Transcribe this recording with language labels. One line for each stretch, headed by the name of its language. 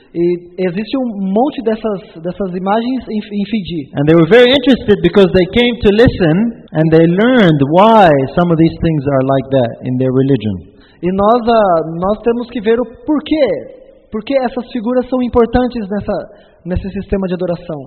Portuguese: E existe um monte dessas imagens em Fiji.
English: And they were very interested because they came to listen and they learned why some of these things are like that in their religion.
Portuguese: E nós temos que ver o porquê. Por que essas figuras são importantes nesse sistema de adoração?